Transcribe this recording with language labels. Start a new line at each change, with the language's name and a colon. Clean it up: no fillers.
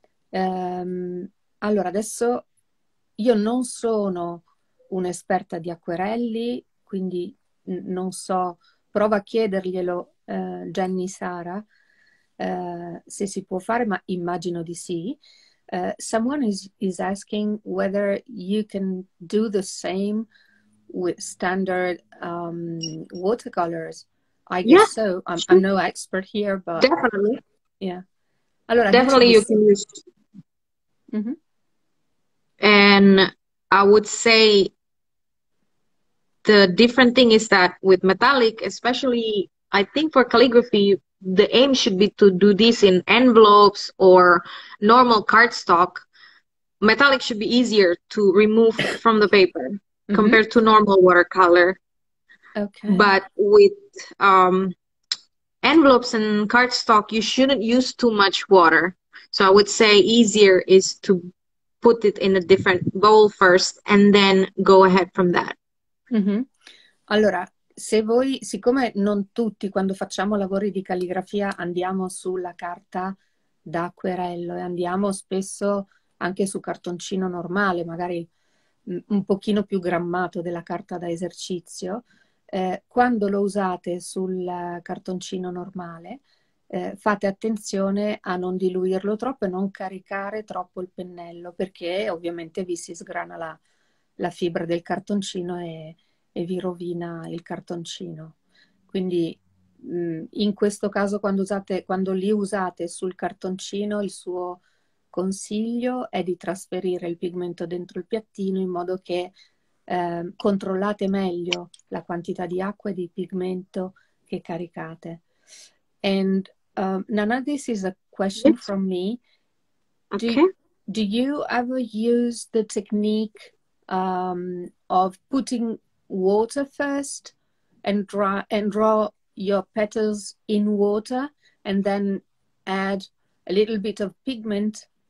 Italian: Allora, adesso io non sono un'esperta di acquerelli, quindi non so, prova a chiederglielo. Jenny Sara, se si può fare, ma immagino di sì.
English: Someone is asking whether you can do the same with standard watercolors. I guess so. I'm no expert here, but definitely. Yeah.
Italian: Allora,
English: definitely you can use. And I would say the different thing is that with metallic, especially, I think for calligraphy, the aim should be to do this in envelopes or normal cardstock. Metallic should be easier to remove from the paper compared to normal watercolor. Okay. But with envelopes and cardstock, you shouldn't use too much water. So I would say easier is to put it in a different bowl first and then go ahead from that.
Italian: Allora, se voi, siccome non tutti quando facciamo lavori di calligrafia andiamo sulla carta da acquerello e andiamo spesso anche su cartoncino normale, magari un pochino più grammato della carta da esercizio, quando lo usate sul cartoncino normale fate attenzione a non diluirlo troppo e non caricare troppo il pennello, perché ovviamente vi si sgrana la fibra del cartoncino e vi rovina il cartoncino. Quindi in questo caso, quando li usate sul cartoncino, il suo consiglio è di trasferire il pigmento dentro il piattino, in modo che controllate meglio la quantità di acqua e di pigmento che caricate.
English: And Nana, this is a question from me. Do you ever use the technique of putting water first and draw your petals in water and then add a little bit of pigment